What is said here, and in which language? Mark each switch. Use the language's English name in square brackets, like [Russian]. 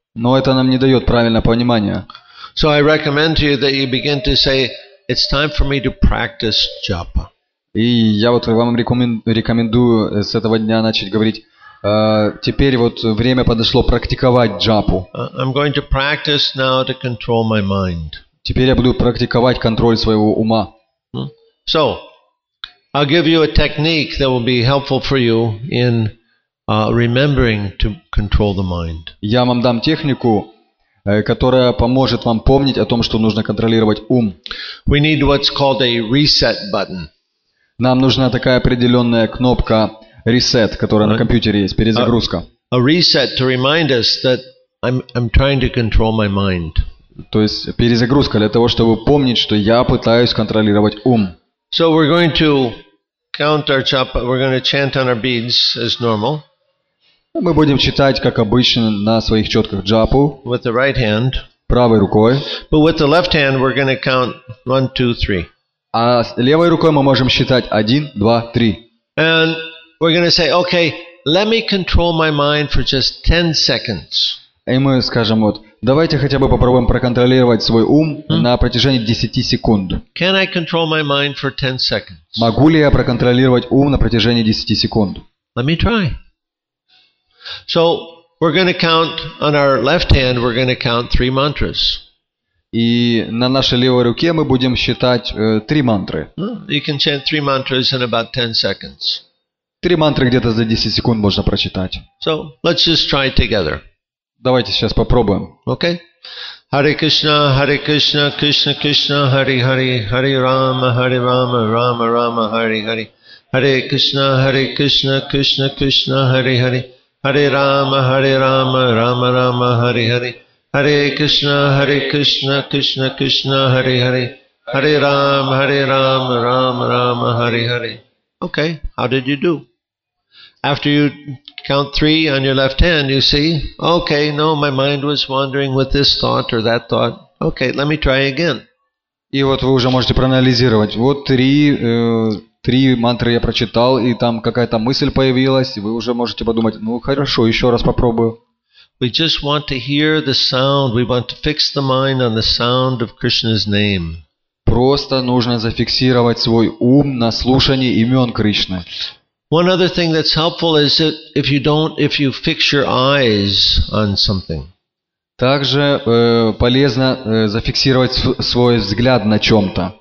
[Russian] Но это нам не дает правильное понимание. [English] So I recommend to you that you begin to say, it's time for me to practice japa. [Russian] И я вот вам рекомендую с этого дня начать говорить, теперь вот время подошло практиковать джапу. [English] I'm going to practice now to control my mind. [Russian] Теперь я буду практиковать контроль своего ума. [English] So, I'll give you a technique that will be helpful for you in remembering to control the mind. [Russian] Я вам дам технику, которая поможет вам помнить о том, что нужно контролировать ум. [English] We need what's called a reset button. [Russian] Нам нужна такая определенная кнопка reset, которая на компьютере есть, перезагрузка. [English] A reset to remind us that I'm trying to control my mind. [Russian] То есть перезагрузка для того, чтобы помнить, что я пытаюсь контролировать ум. [English] So we're going to count our japa, we're going to chant on our beads as normal. [Russian] Мы будем читать, как обычно, на своих четках джапу. [English] With the right hand. [Russian] Правой рукой. [English] But with the left hand, we're going to count 1, 2, 3. [Russian] А левой рукой мы можем считать 1, 2, 3. [English] And we're going to say, okay, let me control my mind for just 10 seconds. [Russian] И мы скажем вот, Давайте хотя бы попробуем проконтролировать свой ум на протяжении 10 секунд. [English] Can I control my mind for 10 seconds? [Russian] Могу ли я проконтролировать ум на протяжении 10 секунд? [English] Let me try. So, we're going to count on our left hand, we're going to count 3 mantras. [Russian] И на нашей левой руке мы будем считать 3 мантры. [English] You can chant 3 mantras in about 10 seconds. [Russian] 3 мантры где-то за 10 секунд можно прочитать. [English] So, let's just try together. [Russian] Давайте сейчас попробуем. [Sanskrit] Okay. Hare Krishna, Hare Krishna, Krishna Krishna, Hare Hare, Hare Rama, Hare Rama, Rama Rama, Hare Hare. Hare Krishna, Hare Krishna, Krishna Krishna, Hare Hare, Hare Rama, Hare Rama, Rama Rama, Hare Hare. Hare Krishna, Hare Krishna, Krishna Krishna, Hare Hare, Hare Rama, Hare Rama, Rama Rama, Hare Hare. [English] Okay, how did you do? After you count 3 on your left hand, you see, okay, no, my mind was wandering with this thought or that thought. Okay, let me try again. [Russian] И вот вы уже можете проанализировать. Вот 3 мантры я прочитал, и там какая-то мысль появилась, и вы уже можете подумать, ну хорошо, еще раз попробую. [English] We just want to hear the sound. We want to fix the mind on the sound of Krishna's name. [Russian] Просто нужно зафиксировать свой ум на слушании имен Кришны. [English] One other thing that's helpful is that if you fix your eyes on something. [Russian] Также полезно зафиксировать свой взгляд на чем-то.